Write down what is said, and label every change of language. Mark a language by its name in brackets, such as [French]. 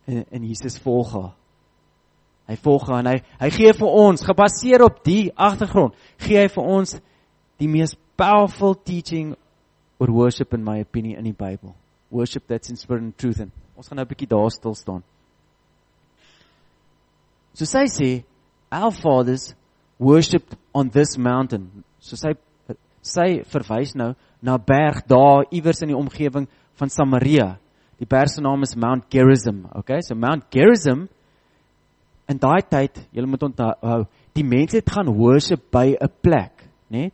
[Afrikaans] En Jesus volg haar. Hy volg haar en hy gee vir ons, gebaseer op die agtergrond, gee hy vir ons die mees [English] powerful teaching [Afrikaans] oor worship in my opinie in die Bybel. [English] Worship that's in spirit and truth. [Afrikaans] En ons gaan nou 'n bietjie daar stil staan. So sy sê, [English] our fathers worshipped on this mountain. [Afrikaans] So sy verwys nou na berg daar iewers in die omgewing van Samaria. Die berg se naam is Mount Gerizim, okay? So Mount Gerizim in daai tyd, julle moet onthou, die mense het gaan worship by 'n plek, né? Nee?